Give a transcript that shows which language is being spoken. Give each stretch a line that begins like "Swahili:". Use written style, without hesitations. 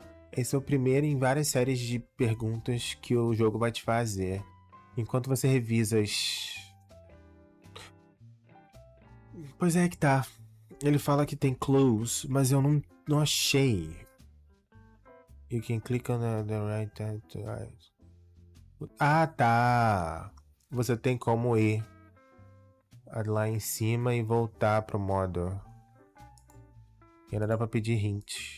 Portuguese: Esse é o primeiro em várias séries de perguntas que o jogo vai te fazer. Enquanto você revisa as. Pois é que tá. Ele fala que tem clues, mas eu não achei.
English: You can click on the right hand to right.
Portuguese: Ah, tá. Você tem como ir lá em cima e voltar pro modo. E ainda dá pra pedir hint.